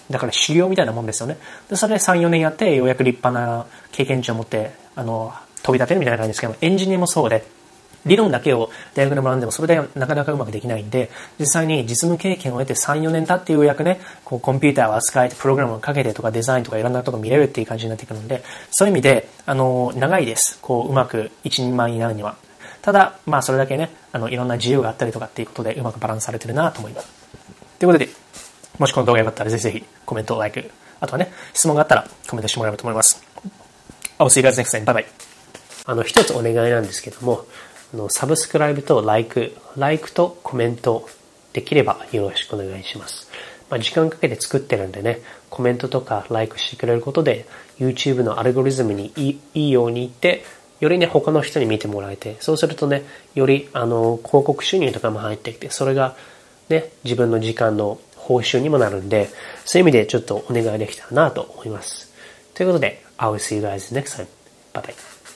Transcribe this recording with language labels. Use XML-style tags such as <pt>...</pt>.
<ja>だから修行みたいなもんですよね。で、それで3、4年やって、ようやく立派な経験値を持って、飛び立てるみたいな感じですけども、エンジニアもそうで、理論だけを大学で学んでもそれでなかなかうまくできないんで、実際に実務経験を得て3、4年経ってようやくね、こうコンピューターを扱えてプログラムをかけてとかデザインとかいろんなとこ見れるっていう感じになってくるんで、そういう意味で、長いです。こう、うまく一人前になるには。ただ、それだけね、いろんな自由があったりとかっていうことでうまくバランスされてるなと思います。ということで、もしこの動画良かったらぜひぜひコメント、ライク、あとはね、質問があったらコメントしてもらえればと思います。</ja> <en>I'll see you guys next time. Bye bye.</en> <ja>一つお願いなんですけども、サブスクライブとライクとコメントできればよろしくお願いします。時間かけて作ってるんでね、コメントとかライクしてくれることで、YouTube のアルゴリズムにいいように言って、よりね、他の人に見てもらえて、そうするとね、より広告収入とかも入ってきて、それがね、自分の時間の報酬にもなるんで、そういう意味でちょっとお願いできたらなと思います。ということで、</ja> <en>I will see you guys next time. Bye bye.</en>